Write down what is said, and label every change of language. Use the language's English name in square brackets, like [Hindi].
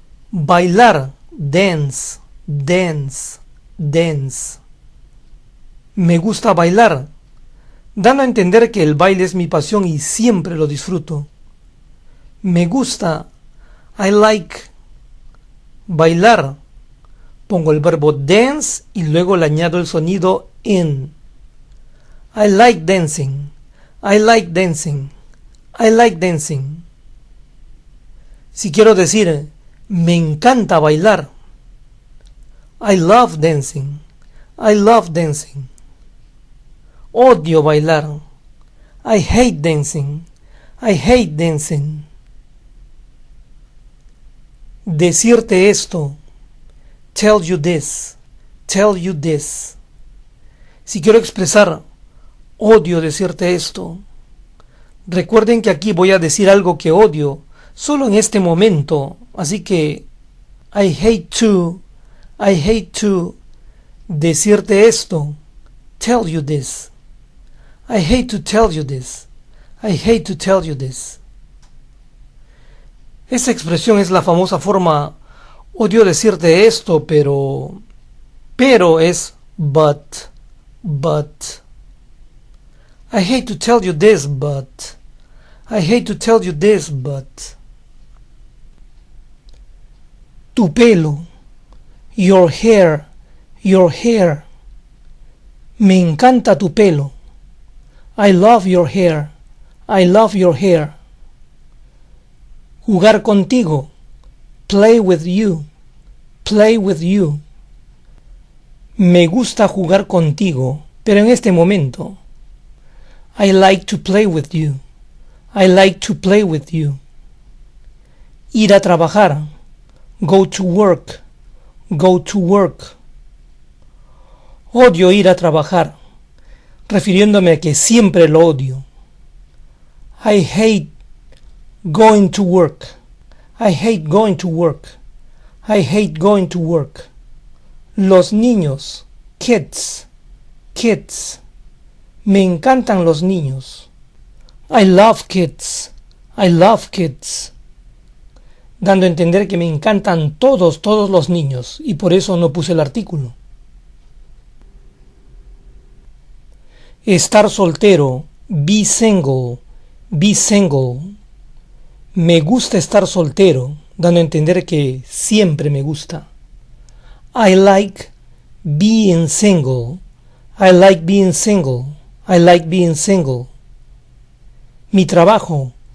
[Spanish] Bailar, [English] dance, dance, dance. [Spanish] Me gusta bailar, dando a entender que el baile es mi pasión y siempre lo disfruto. Me gusta, [English] I like, [Spanish] bailar. Pongo el verbo dance y luego le añado el sonido in. [English] I like dancing, I like dancing, I like dancing. [Spanish] Si quiero decir, me encanta bailar. [English] I love dancing, I love dancing. [Spanish] Odio bailar. [English] I hate dancing, I hate dancing. [Spanish] Decirte esto, [English] tell you this, tell you this. [Spanish] Si quiero expresar, odio decirte esto. Recuerden que aquí voy a decir algo que odio, solo en este momento, así que, [English] I hate to, [Spanish] decirte esto, [English] tell you this. I hate to tell you this, I hate to tell you this. [Spanish] Esa expresión es la famosa forma, odio decirte esto, pero es but. [English] I hate to tell you this, but. I hate to tell you this, but. [Spanish] Tu pelo, [English] your hair, [Spanish] me encanta tu pelo, [English] I love your hair, I love your hair. [Spanish] Jugar contigo, [English] play with you, play with you. [Spanish] Me gusta jugar contigo, pero en este momento. [English] I like to play with you, I like to play with you. [Spanish] Ir a trabajar, [English] go to work, go to work. [Spanish] Odio ir a trabajar, refiriéndome a que siempre lo odio. [English] I hate going to work. I hate going to work. I hate going to work. [Spanish] Los niños, [English] kids, kids. [Spanish] Me encantan los niños. [English] I love kids. I love kids. [Spanish] Dando a entender que me encantan todos, todos los niños, y por eso no puse el artículo. Estar soltero, [English] be single, be single. [Spanish] Me gusta estar soltero, dando a entender que siempre me gusta. [English] I like being single, I like being single, I like being single. [Spanish] Mi trabajo,